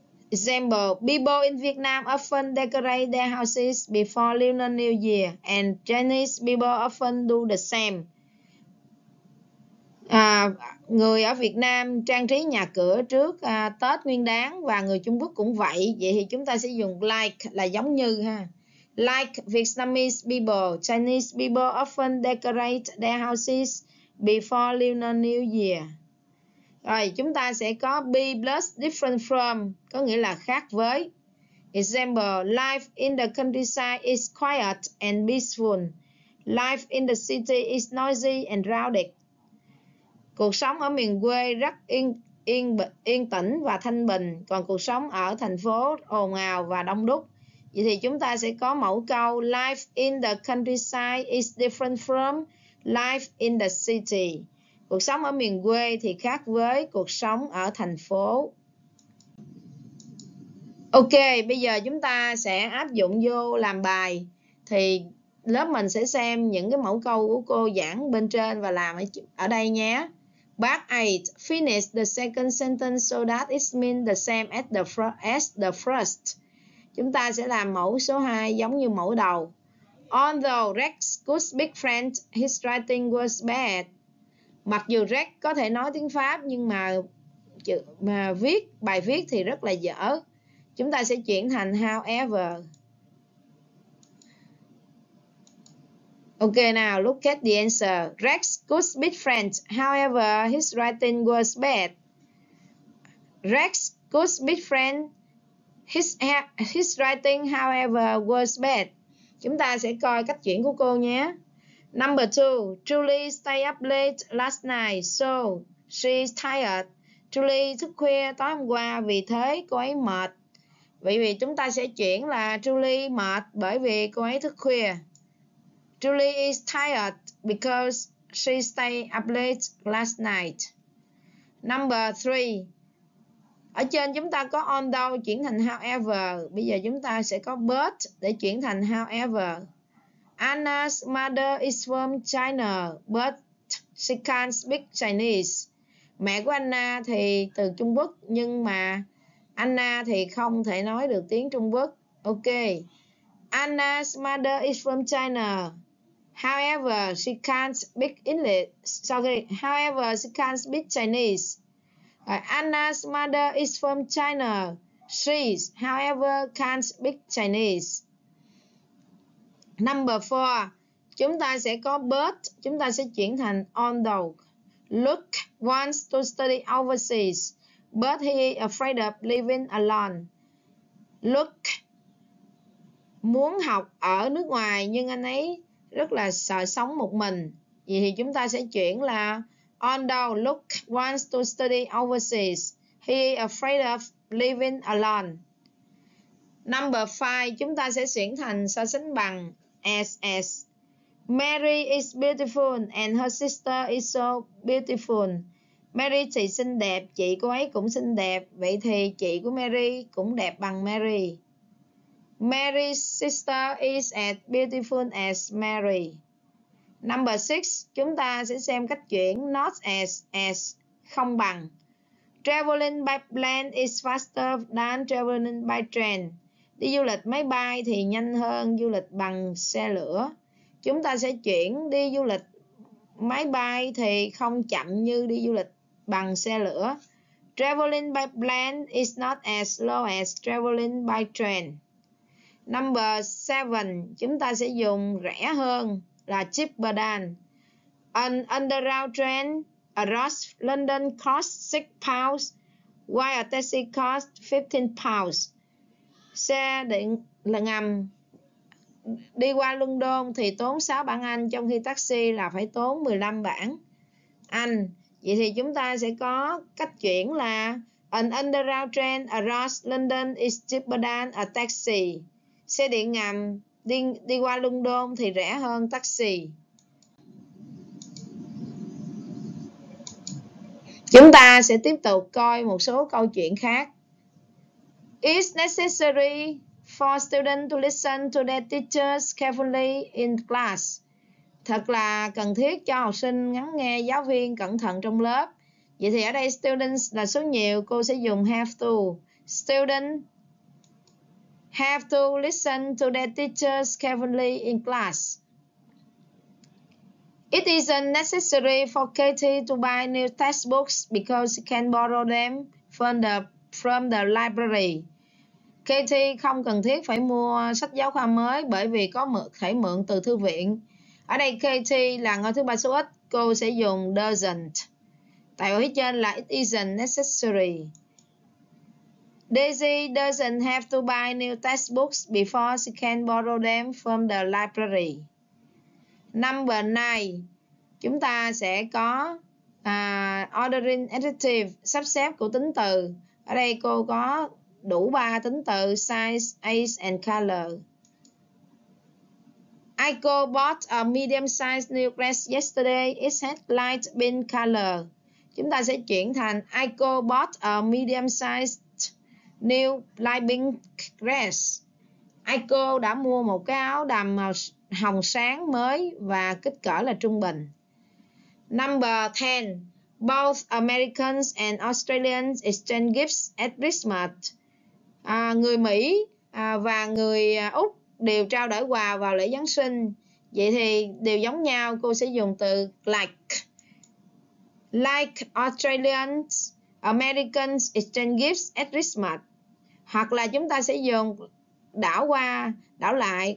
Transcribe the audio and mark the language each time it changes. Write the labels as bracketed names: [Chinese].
[English] Example, people in Vietnam often decorate their houses before Lunar New Year, and Chinese people often do the same. [Vietnamese] À, người ở Việt Nam trang trí nhà cửa trước Tết Nguyên Đán và người Trung Quốc cũng vậy. Vậy thì chúng ta sẽ dùng like là giống như ha. [English] Like Vietnamese people, Chinese people often decorate their houses before Lunar New Year. [Vietnamese] Rồi, chúng ta sẽ có [English] be plus different from, [Vietnamese] có nghĩa là khác với. [English] Example, life in the countryside is quiet and peaceful. Life in the city is noisy and crowded. [Vietnamese] Cuộc sống ở miền quê rất yên tĩnh và thanh bình, còn cuộc sống ở thành phố ồn ào và đông đúc. Vậy thì chúng ta sẽ có mẫu câu [English] Life in the countryside is different from life in the city. [Vietnamese] Cuộc sống ở miền quê thì khác với cuộc sống ở thành phố. Ok, bây giờ chúng ta sẽ áp dụng vô làm bài. Thì lớp mình sẽ xem những cái mẫu câu của cô giảng bên trên và làm ở đây nhé. [English] Part 8. Finish the second sentence so that it means the same as the first. [Vietnamese] Chúng ta sẽ làm mẫu số 2 giống như mẫu đầu. [English] Although Rex could speak French, his writing was bad. [Vietnamese] Mặc dù Rex có thể nói tiếng Pháp nhưng mà viết bài viết thì rất là dở. Chúng ta sẽ chuyển thành however. [English] Ok nào, look at the answer. Rex could speak French. However, his writing was bad. Rex could speak French. His writing, however, was bad. [Vietnamese] Chúng ta sẽ coi cách chuyển của cô nhé. [English] Number 2. Julie stayed up late last night, so she's tired. [Vietnamese] Julie thức khuya tối hôm qua, vì thế cô ấy mệt. Vậy vì chúng ta sẽ chuyển là Julie mệt bởi vì cô ấy thức khuya. [English] Julie is tired because she stayed up late last night. Number 3. [Vietnamese] Ở trên chúng ta có although chuyển thành however. Bây giờ chúng ta sẽ có but để chuyển thành however. [English] Anna's mother is from China, but she can't speak Chinese. [Vietnamese] Mẹ của Anna thì từ Trung Quốc, nhưng mà Anna thì không thể nói được tiếng Trung Quốc. [English] Ok. Anna's mother is from China. However, she can't speak English. Sorry. However, she can't speak Chinese. Anna's mother is from China. She, however, can't speak Chinese. Number 4. [Vietnamese] Chúng ta sẽ có but, chúng ta sẽ chuyển thành although. [English] Luke wants to study overseas, but he is afraid of living alone. [Vietnamese] Luke muốn học ở nước ngoài nhưng anh ấy rất là sợ sống một mình. Vậy thì chúng ta sẽ chuyển là [English] although Luke wants to study overseas, he is afraid of living alone. Number 5, [Vietnamese] chúng ta sẽ chuyển thành so sánh bằng as. [English] Mary is beautiful and her sister is so beautiful. [Vietnamese] Mary thì xinh đẹp, chị cô ấy cũng xinh đẹp, vậy thì chị của Mary cũng đẹp bằng Mary. [English] Mary's sister is as beautiful as Mary. Number 6, [Vietnamese] chúng ta sẽ xem cách chuyển [English] not as [Vietnamese] không bằng. [English] Traveling by plane is faster than traveling by train. [Vietnamese] Đi du lịch máy bay thì nhanh hơn du lịch bằng xe lửa. Chúng ta sẽ chuyển đi du lịch máy bay thì không chậm như đi du lịch bằng xe lửa. [English] Traveling by plane is not as slow as traveling by train. Number 7, [Vietnamese] chúng ta sẽ dùng rẻ hơn là [English] cheaper than. An underground train across London costs £6, while a taxi costs £15. [Vietnamese] Xe điện là ngầm đi qua London thì tốn 6 bảng Anh, trong khi taxi là phải tốn 15 bảng Anh. Vậy thì chúng ta sẽ có cách chuyển là [English] an underground train across London is cheaper than a taxi. [Vietnamese] Xe điện ngầm đi qua London thì rẻ hơn taxi. Chúng ta sẽ tiếp tục coi một số câu chuyện khác. [English] It's necessary for students to listen to their teachers carefully in class. [Vietnamese] Thật là cần thiết cho học sinh lắng nghe giáo viên cẩn thận trong lớp. Vậy thì ở đây students là số nhiều, cô sẽ dùng [English] have to. Students have to listen to their teachers carefully in class. It isn't necessary for Katie to buy new textbooks because she can borrow them from the library. [Vietnamese] Katie không cần thiết phải mua sách giáo khoa mới bởi vì có thể mượn từ thư viện. Ở đây Katie là ngôi thứ ba số ít, cô sẽ dùng doesn't. Tại ở phía trên là [English] it isn't necessary. Daisy doesn't have to buy new textbooks before she can borrow them from the library. Number 9. [Vietnamese] Chúng ta sẽ có [English] Ordering adjective, [Vietnamese] sắp xếp của tính từ. Ở đây cô có đủ 3 tính từ: [English] size, age and color. Aiko bought a medium-sized new dress yesterday. It had light pink color. [Vietnamese] Chúng ta sẽ chuyển thành [English] Aiko bought a medium-sized new light pink dress. [Vietnamese] Aiko đã mua một cái áo đầm màu hồng sáng mới và kích cỡ là trung bình. [English] Number 10. Both Americans and Australians exchange gifts at Christmas. [Vietnamese] Người Mỹ và người Úc đều trao đổi quà vào lễ Giáng sinh. Vậy thì đều giống nhau, cô sẽ dùng từ like. [English] Like Australians, Americans exchange gifts at Christmas. [Vietnamese] Hoặc là chúng ta sẽ dùng đảo qua, đảo lại.